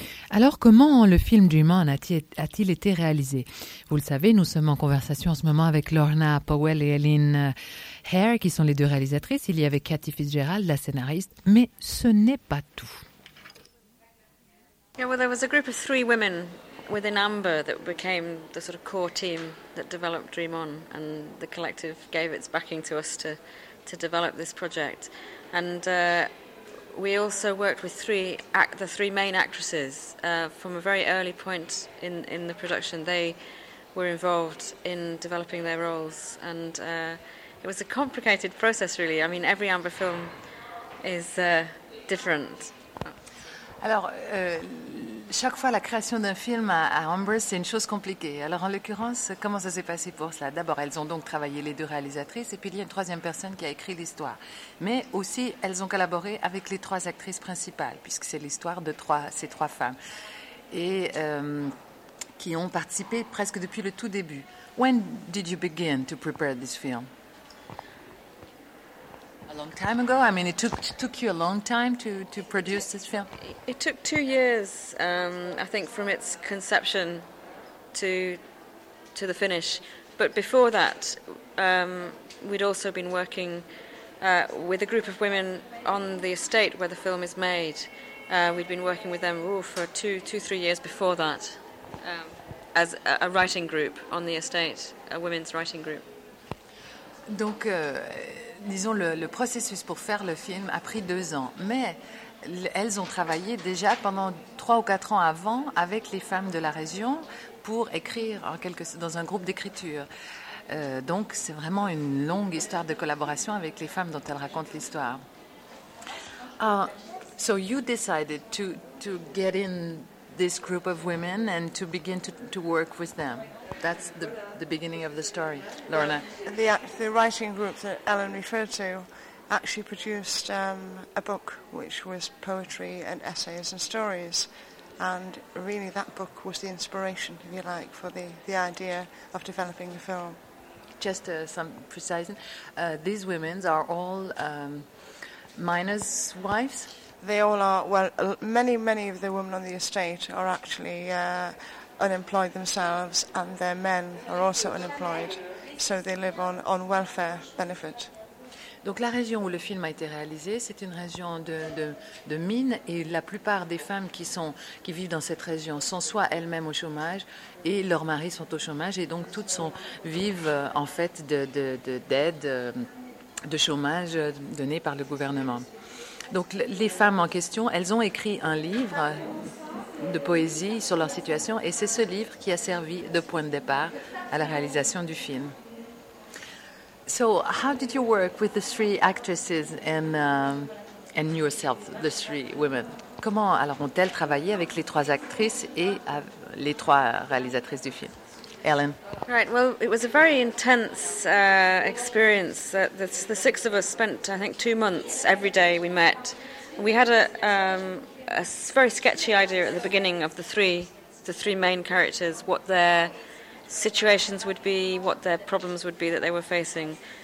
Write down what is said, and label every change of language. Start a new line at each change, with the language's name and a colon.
French: Alors, comment le film Dreamer a-t-il été réalisé? Vous le savez, nous sommes en conversation en ce moment avec Lorna Powell et Ellen Hare, qui sont les deux réalisatrices. Il y avait Cathy Fitzgerald, la scénariste, mais ce n'est pas tout.
English: Yeah, well, there was a group of three women within Amber that became the sort of core team that developed Dream On, and the collective gave its backing to us to develop this project. And we also worked with the three main actresses from a very early point in the production. They were involved in developing their roles, and it was a complicated process, really. I mean, every Amber film is different.
French: Alors, chaque fois la création d'un film à Amber, c'est une chose compliquée. Alors, en l'occurrence, comment ça s'est passé pour cela? D'abord, elles ont donc travaillé, les deux réalisatrices, et puis il y a une troisième personne qui a écrit l'histoire. Mais aussi, elles ont collaboré avec les trois actrices principales, puisque c'est l'histoire de ces trois femmes, et qui ont participé presque depuis le tout début.
English: When did you begin to prepare this film? A long time ago? I mean, it took you a long time to produce this film? It took 2 years, I think, from its conception to the finish. But before that, we'd also been working with a group of women on the estate where the film is made. We'd been working with them for two, three years before that, as a writing group on the estate, a women's writing group.
French: Donc, disons, le processus pour faire le film a pris 2 ans. Mais elles ont travaillé déjà pendant 3 ou 4 ans avant avec les femmes de la région pour écrire dans un groupe d'écriture. Donc, c'est vraiment une longue histoire de collaboration avec les femmes dont elles racontent l'histoire.
English: So you decided to get in this group of women and to begin to work with them. That's the beginning of the story, Lorna. The writing group that Ellen referred to actually produced a book which was poetry and essays and stories. And really that book was the inspiration, if you like, for the idea of developing the film. Just some precising. These women are all miners' wives? They all are. Well, many, many of the women on the estate are actually unemployed themselves, and their men are also unemployed, so they live on welfare benefit.
French: Donc la région où le film a été réalisé, c'est une région de mines, et la plupart des femmes qui vivent dans cette région sont soit elles-mêmes au chômage et leurs maris sont au chômage, et donc toutes vivent en fait d'aide de chômage donnée par le gouvernement. Donc les femmes en question, elles ont écrit un livre de poésie sur leur situation, et c'est ce livre qui a servi de point de départ à la réalisation du film.
English: So how did you work with the three actresses and yourself, the three women?
French: Comment alors ont-elles travaillé avec les trois actrices et les trois réalisatrices du film?
English: Ellen. Right, well, it was a very intense experience. The six of us spent, I think, 2 months every day we met. We had a very sketchy idea at the beginning of the three main characters, what their situations would be, what their problems would be that they were facing.